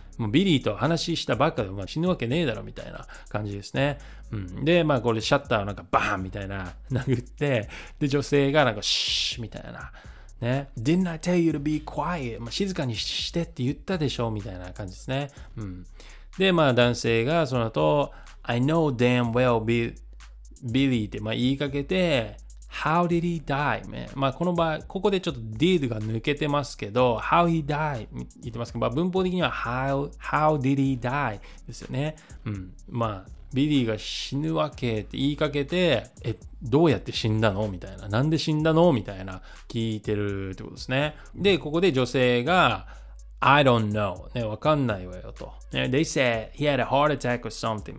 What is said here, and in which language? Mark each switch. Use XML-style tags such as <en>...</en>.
<ja>もうビリーと話したばっかで、まあ、死ぬわけねえだろみたいな感じですね。うん、で、まあこれシャッターをなんかバーンみたいな殴って、で、女性がなんかシーッみたいな。ね、</ja> <en>Didn't I tell you to be quiet?</en> <ja>まあ静かにしてって言ったでしょみたいな感じですね。うん、で、まあ男性がその後、</ja> <en>I know damn well Billy</en> <ja>って、まあ、言いかけて、</ja> <en>How did he die?</en> <ja>まあ、この場合、ここでちょっと did が抜けてますけど、</ja> <en>how he die?</en> <ja>言ってますけど、まあ、文法的には</ja> <en>how did he die?</en> <ja>ですよね。うん。まあ、ビリーが死ぬわけって言いかけて、どうやって死んだのみたいな。なんで死んだのみたいな聞いてるってことですね。で、ここで女性が、</ja> <en>I don't know.</en> <ja>ね、わかんないわよと。</ja> <en>They said he had a heart attack or something.</en>